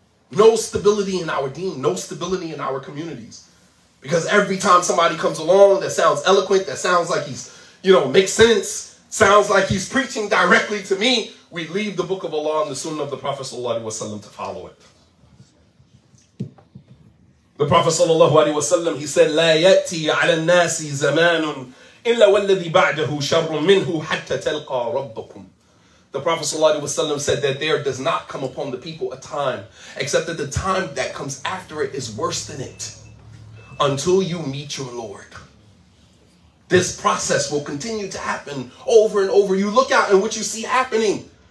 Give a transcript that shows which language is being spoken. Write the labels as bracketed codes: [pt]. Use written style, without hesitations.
[en] No stability in our deen, no stability in our communities. Because every time somebody comes along that sounds eloquent, that sounds like he's, you know, makes sense, sounds like he's preaching directly to me, we leave the Book of Allah and the Sunnah of the Prophet sallallahu alaihi wasallam to follow it. The Prophet sallallahu alaihi wasallam, he said, [ar] لا يأتي على الناس زمان إلا والذي بعده شر منه حتى تلقى ربكم. [en] The Prophet sallallahu alaihi wasallam said that there does not come upon the people a time except that the time that comes after it is worse than it, until you meet your Lord. This process will continue to happen over and over. You look out and what you see happening.